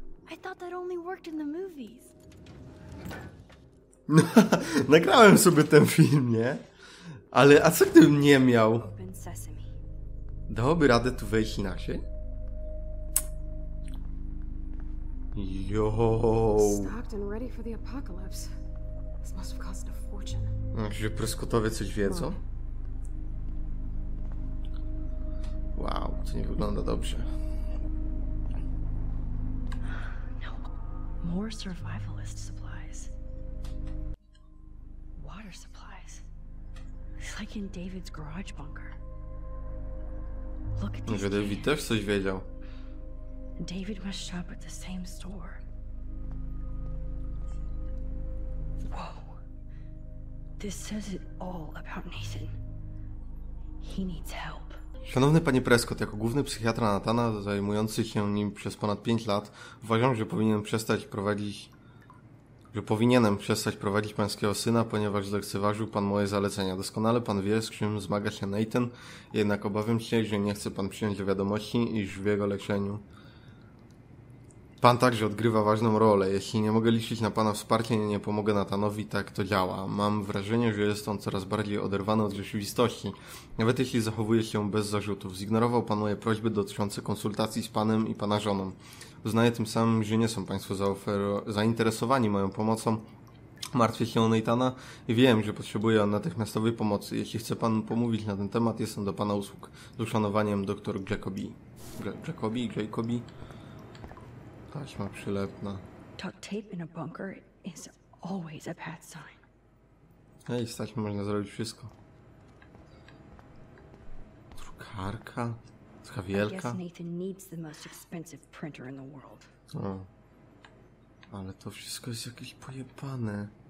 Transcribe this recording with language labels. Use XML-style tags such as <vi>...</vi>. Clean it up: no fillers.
<en>I thought that only worked in the movies.</en> <pl>Nagrałem sobie ten film, nie? Ale a co gdybym nie miał? Dałoby radę tu wejść na się?</pl> <en>Yo! Stocked and ready for the apocalypse. This must have cost a fortune.</en> <pl>Że Prescottowie coś wiedzą? Wow, to nie wygląda dobrze. No.</pl> <en>More survivalist supplies. Water supplies. It's like in David's garage bunker. Look at this.</en> <pl>David też coś wiedział.</pl> <en>David must shop at the same store. Whoa. This says it all about Nathan. He needs help.</en> <pl>Szanowny panie Prescott, jako główny psychiatra Nathana, zajmujący się nim przez ponad 5 lat, uważam, że powinienem przestać prowadzić pańskiego syna, ponieważ zlekceważył pan moje zalecenia. Doskonale pan wie, z czym zmaga się Nathan, jednak obawiam się, że nie chce pan przyjąć do wiadomości, iż w jego leczeniu pan także odgrywa ważną rolę. Jeśli nie mogę liczyć na pana wsparcia i nie pomogę Nathanowi, tak to działa. Mam wrażenie, że jest on coraz bardziej oderwany od rzeczywistości. Nawet jeśli zachowuje się bez zarzutów. Zignorował pan moje prośby dotyczące konsultacji z panem i pana żoną. Uznaję tym samym, że nie są państwo zainteresowani moją pomocą. Martwię się o Nathana i wiem, że potrzebuje on natychmiastowej pomocy. Jeśli chce pan pomówić na ten temat, jestem do pana usług. Z uszanowaniem, dr Jacoby. Jacoby? Taśma przylepna.</pl> <en>Tuck tape in a bunker is always a bad sign.</en> <pl>Hej, z taśmy można zrobić wszystko. Drukarka? Taka wielka?</pl> <en>Nathan needs the most expensive printer in the world. O.</en> <pl>Ale to wszystko jest jakieś pojebane.</pl>